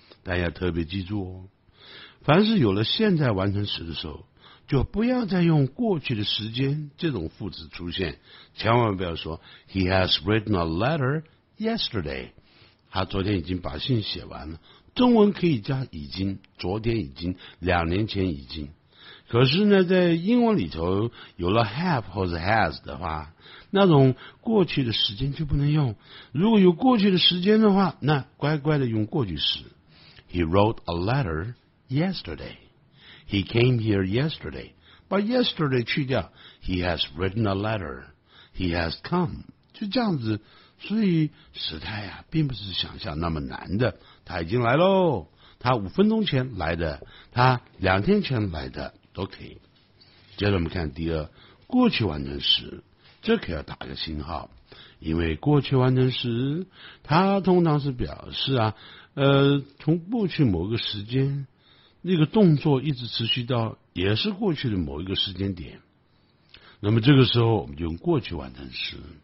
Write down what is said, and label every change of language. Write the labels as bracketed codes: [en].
[zh] 大家特别记住哦，凡是有了现在完成时的时候，就不要再用过去的时间这种副词出现，千万不要说 [en] He has written a letter yesterday， [zh] 他昨天已经把信写完了，中文可以加已经，昨天已经，2年前已经。可是呢，在英文里头有了 have 或者 has 的话，那种过去的时间就不能用。如果有过去的时间的话，那乖乖的用过去时。 [en] He wrote a letter yesterday. He came here yesterday. [zh] 把 yesterday 去掉， [en] He has written a letter. He has come. [zh] 就这样子。所以时态啊并不是想象那么难的，他已经来喽，他5分钟前来的，他2天前来的都可以。接着我们看第二，过去完成时，这可要打个星号，因为过去完成时它通常是表示啊，从过去某个时间那个动作一直持续到也是过去的某一个时间点，那么这个时候我们就用过去完成时。